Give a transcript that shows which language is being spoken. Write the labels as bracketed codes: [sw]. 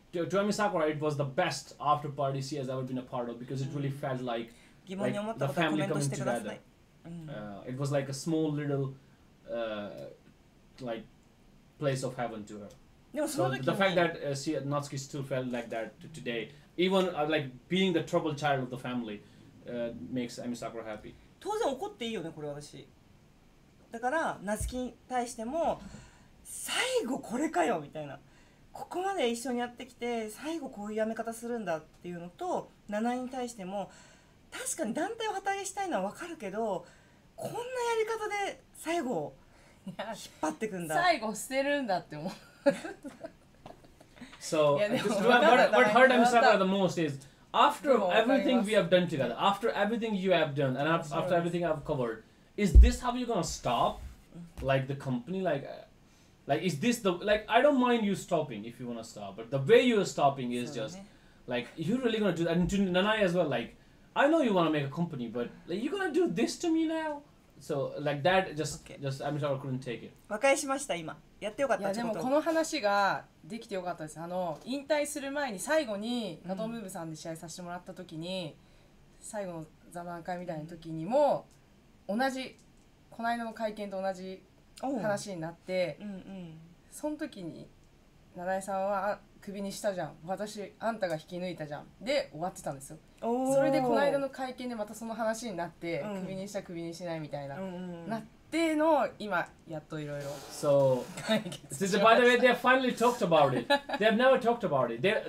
[en] To Ami Sakura, it was the best after party she has ever been a part of because it really felt like the family coming together. It was like a small little, like, place of heaven to her. So the fact that she, Natsuki still felt like that today, even like being the troubled child of the family, makes Ami Sakura happy. [ja] 当然怒っていいよね、これ私。だから、夏樹に対しても、最後これかよみたいな。ここまで一緒にやってきて、最後こういうやめ方するんだっていうのと、七井に対しても、確かに団体を旗揚げしたいのは分かるけど、こんなやり方で最後、引っ張ってくんだ。最後捨てるんだって思う。 [en] So, what hurt him the most is,After everything we have done together, after everything you have done, and after everything I've covered, is this how you're gonna stop, like the company, like is this the like I don't mind you stopping if you wanna stop, but the way you're stopping is just, like you're really gonna do that, and to Nanai as well, like I know you wanna make a company, but like you're gonna do this to me now, so like that just I'm sure I couldn't take it. [ja] 和解しました今やってよかった。いやでもこの話ができてよかったです。引退する前に最後にナトムーブさんで試合させてもらった時に、最後の座談会みたいな時にも同じ、この間の会見と同じ話になって、その時に七井さんはクビにしたじゃん、私あんたが引き抜いたじゃん、で終わってたんですよ。それでこの間の会見でまたその話になって、クビにしたクビにしないみたいな、なってのを今やっといろいろ。 [en] So, so by the way, they have finally talked about it. They have never talked about it.